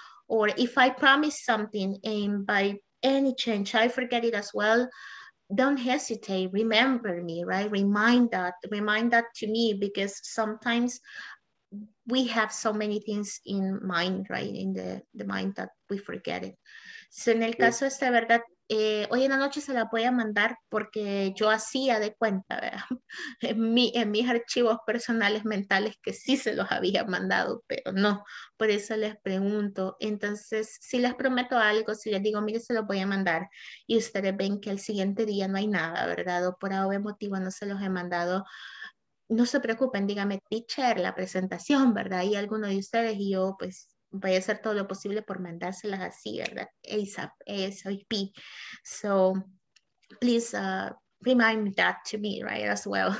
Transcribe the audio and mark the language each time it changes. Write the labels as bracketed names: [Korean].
[English] Or if I promise something and by any chance I forget it as well, don't hesitate, remember me, right? Remind that to me, because sometimes we have so many things in mind, right? In the mind that we forget it. [Spanish] So en el caso de esta verdad, hoy en la noche se la voy a mandar porque yo hacía de cuenta, ¿verdad? En mis archivos personales mentales que sí se los había mandado, pero no, por eso les pregunto. Entonces, si les prometo algo, si les digo, mire, se los voy a mandar y ustedes ven que el siguiente día no hay nada, ¿verdad? O por algún motivo no se los he mandado, no se preocupen, dígame, teacher, la presentación, ¿verdad? Y alguno de ustedes y yo, pues, voy a hacer todo lo posible por mandárselas así, ¿verdad? [English] ASAP, ASAP. So, please remind that to me, right, as well.